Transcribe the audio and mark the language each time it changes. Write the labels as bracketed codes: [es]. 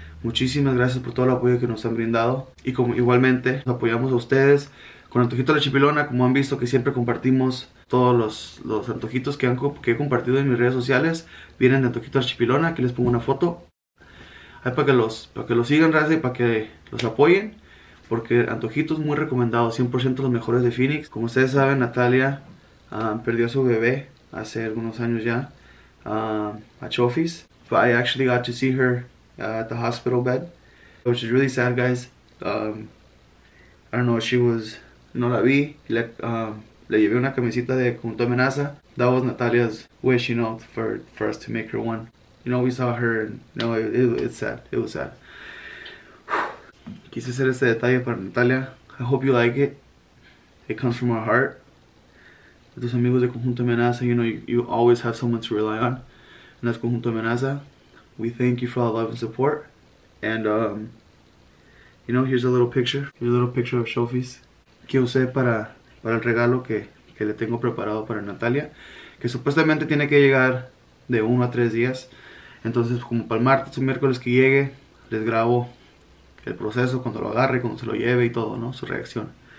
[es] Muchísimas gracias por todo el apoyo que nos han brindado. Y como igualmente, apoyamos a ustedes con Antojito de la Chipilona, como han visto que siempre compartimos todos los antojitos que he compartido en mis redes sociales. Vienen de Antojito de la Chipilona, aquí les pongo una foto. Ahí para que los sigan, raza, y para que los apoyen. Porque Antojitos muy recomendados, 100% los mejores de Phoenix. Como ustedes saben, Natalia perdió a su bebé hace algunos años ya. [en] A Chofis, but I actually got to see her at the hospital bed, which is really sad, guys. I don't know, she was, [es] no la vi, le llevé una camisita de conjunto amenaza. [en] That was Natalia's wish, you know, for us to make her one. You know, we saw her, and you know, it's sad, it was sad. [es] Quise hacer este detalle para Natalia. [en] I hope you like it. It comes from our heart. [es] Tus amigos de [en] Conjunto Amenaza, you know, you always have someone to rely on. And that's Conjunto Amenaza. We thank you for all the love and support. And, you know, here's a little picture. Here's a little picture of Shofis. [es] Que usé para el regalo que le tengo preparado para Natalia. Que supuestamente tiene que llegar de 1 a 3 días. Entonces, como para el martes o miércoles que llegue, les grabo el proceso, cuando lo agarre, cuando se lo lleve y todo, ¿no? Su reacción.